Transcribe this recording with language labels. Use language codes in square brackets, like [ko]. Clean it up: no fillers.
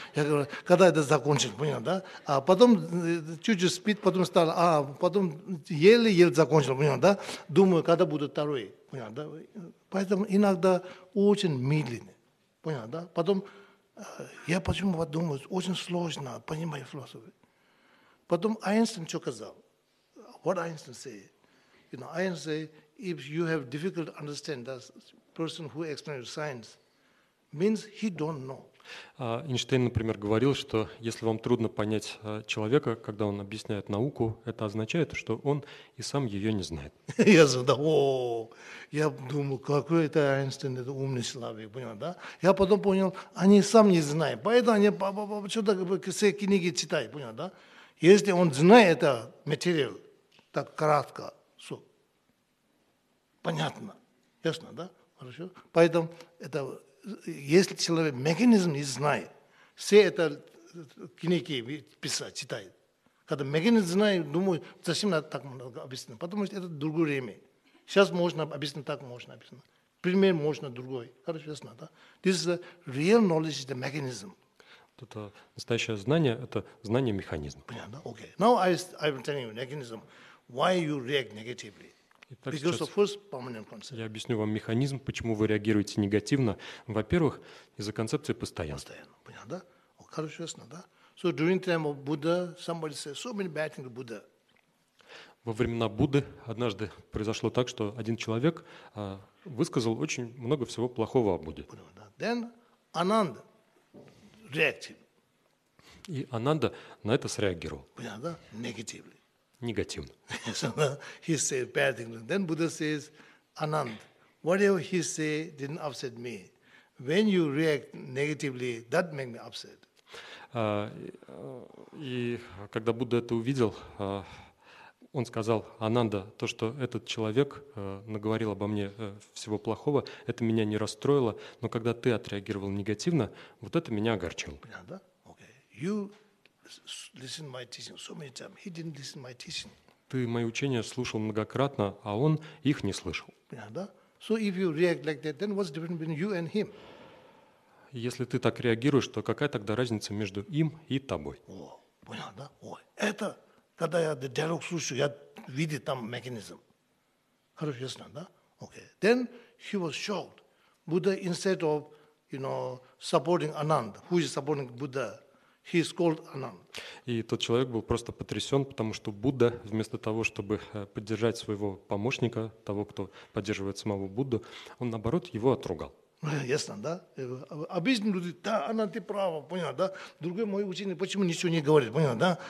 [ru] Я говорю, когда это закончится, понял, да? А потом чуть-чуть спит, потом стало, а потом еле-еле закончил, понял, да? Думаю, когда будет второй. Понятно, да? Поэтому иногда очень медленно, понятно, да? Потом я почему-то думаю, очень сложно, понимаю философию. Потом Эйнштейн что сказал? [en] What Einstein say? You know, Einstein say, if you have difficult to understand that person who explains science, means he don't know. [ru] Эйнштейн, например, говорил, что если вам трудно понять человека, когда он объясняет науку, это означает, что он и сам ее не знает. Я задал, я думал, какой это Эйнштейн, это умный человек, понял, да? Я потом понял, они сам не знают, поэтому они что-то все книги читают, понял, да? Если он знает этот материал, так кратко, все, понятно, ясно, да? Хорошо? Поэтому это... Если человек механизм не знает, все это книги писать, читает. Когда механизм знает, думаю, зачем надо так много объяснить? Потому что это другое время. Сейчас можно объяснить так, можно объяснить. Пример можно другой. Хорошо, ясно, да? [en] This is the real knowledge, the mechanism. [ru] Это настоящее знание, это знание механизма. Понятно, окей. [en] Now I'm telling you mechanism, why you react negatively. [ru] Итак, сейчас я объясню вам механизм, почему вы реагируете негативно. Во-первых, из-за концепции постоянства. Постоянно, понятно, да? Хорошо, ясно, да? [en] So during time of Buddha, somebody said, so many bad things Buddha. [ru] Во времена Будды однажды произошло так, что один человек высказал очень много всего плохого о Будде. Понятно, да? [en] Then Ананда reacted. [ru] И Ананда на это среагировал. Понятно, да? [en] Negatively. [ru] Негативно. [en] He said bad things. Then Buddha says, Anand, whatever he say didn't upset me. When you react negatively, that make me upset. [ru] И когда Будда это увидел, он сказал, Ананда, то, что этот человек наговорил обо мне всего плохого, это меня не расстроило, но когда ты отреагировал негативно, вот это меня огорчило. Понятно, да? Окей. [en] You listen my teaching so many times. He didn't listen my teaching. [ru] Ты мои учения слушал многократно, а он их не слышал. Понятно, да? [en] So if you react like that, then what's different between you and him? [ru] Если ты так реагируешь, то какая тогда разница между им и тобой? О, понятно, да? О, это, когда я диалог слушаю, я видел там механизм. Хорошо, ясно, да? [en] Okay. Then he was shocked. Buddha, instead of, you know, supporting Ananda, who is supporting Buddha, he is called Ananda. [ru] И тот человек был просто потрясен, потому что Будда, вместо того, чтобы поддержать своего помощника, того, кто поддерживает самого Будду, он, наоборот, его отругал. Ясно, да? Обычные люди, да, Ананда, ты прав, понял, да? Другой мой ученик, почему ничего не говорит, понял, да?